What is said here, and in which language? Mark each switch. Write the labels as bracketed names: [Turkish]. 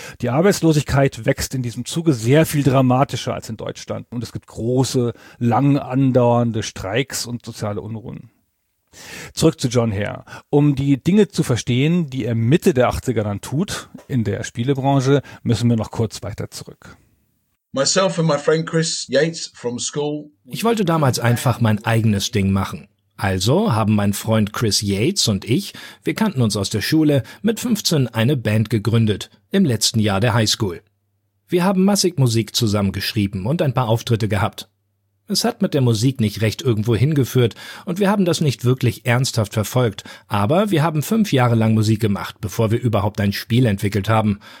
[German] Die Arbeitslosigkeit wächst in diesem Zuge sehr viel dramatischer als in Deutschland. Und es gibt große, lang andauernde Streiks und soziale Unruhen. Zurück zu John Hare. Um die Dinge zu verstehen, die er Mitte der 80er dann tut, in der Spielebranche, müssen wir noch kurz weiter zurück. [English] Myself and my friend Chris Yates from school. [German] Ich wollte damals einfach mein eigenes Ding machen. Also haben mein Freund Chris Yates und ich, wir kannten uns aus der Schule, mit 15 eine Band gegründet, im letzten Jahr der Highschool. Wir haben massig Musik zusammengeschrieben und ein paar Auftritte gehabt. Es hat mit der Musik nicht recht irgendwo hingeführt und wir haben das nicht wirklich ernsthaft verfolgt, aber wir haben 5 Jahre lang Musik gemacht, bevor wir überhaupt ein Spiel entwickelt haben.